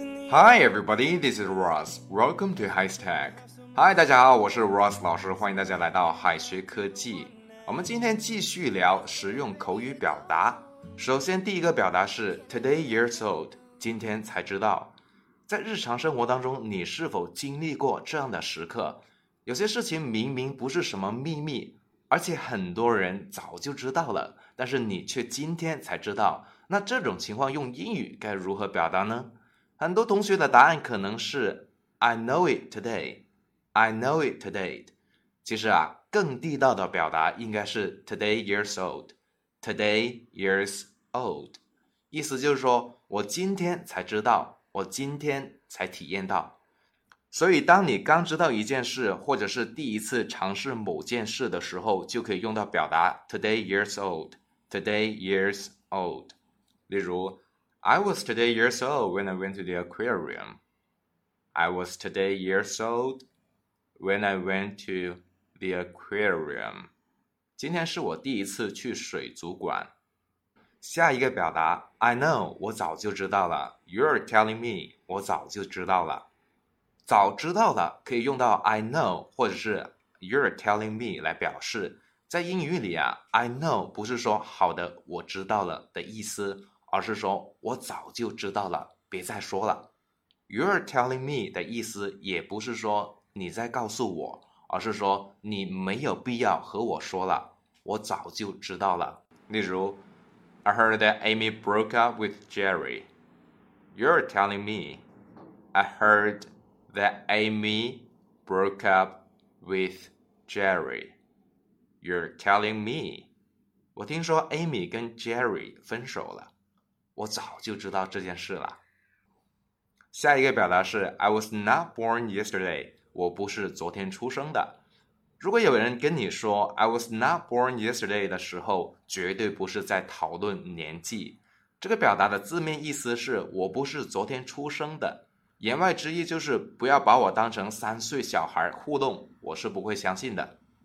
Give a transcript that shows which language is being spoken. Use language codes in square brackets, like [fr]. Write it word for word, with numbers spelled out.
[en] Hi everybody, this is Ross. Welcome to High Tech. [zh] Hi, 大家好，我是 Ross 老师，欢迎大家来到海学科技。我们今天继续聊实用口语表达。首先，第一个表达是 [en] today years old， [zh] 今天才知道。在日常生活当中，你是否经历过这样的时刻？有些事情明明不是什么秘密，而且很多人早就知道了，但是你却今天才知道。那这种情况用英语该如何表达呢？很多同学的答案可能是 [en] I know it today, [zh] I know it today。其实啊，更地道的表达应该是 [en] today years old, today years old。 [zh] 意思就是说，我今天才知道，我今天才体验到。所以当你刚知道一件事，或者是第一次尝试某件事的时候，就可以用到表达 [en] today years old, today years old。例如 I was today years old when I went to the aquarium. I was today years old when I went to the aquarium. [zh] 今天是我第一次去水族馆。下一个表达 [en] I know, [zh] 我早就知道了。 [en] You're telling me, [zh] 我早就知道了。早知道了可以用到 [en] I know [zh] 或者是 [en] You're telling me [zh] 来表示。在英语里啊， [en] I know [zh] 不是说好的我知道了的意思，而是说我早就知道了，别再说了。 [en] You're telling me [zh] 的意思也不是说你在告诉我，而是说你没有必要和我说了，我早就知道了。 [en] 例如 I heard that Amy broke up with Jerry. You're telling me I heard that Amy broke up with Jerry. You're telling me. [zh] 我听说 Amy 跟 Jerry 分手了。我早就知道这件事了。下一个表达是 [en] I was not born yesterday. [zh] 我不是昨天出生的。如果有人跟你说 [en] I was not born yesterday [zh] 的时候，绝对不是在讨论年纪。这个表达的字面意思是我不是昨天出生的。言外之意就是不要把我当成三岁小孩糊弄，我是不会相信的。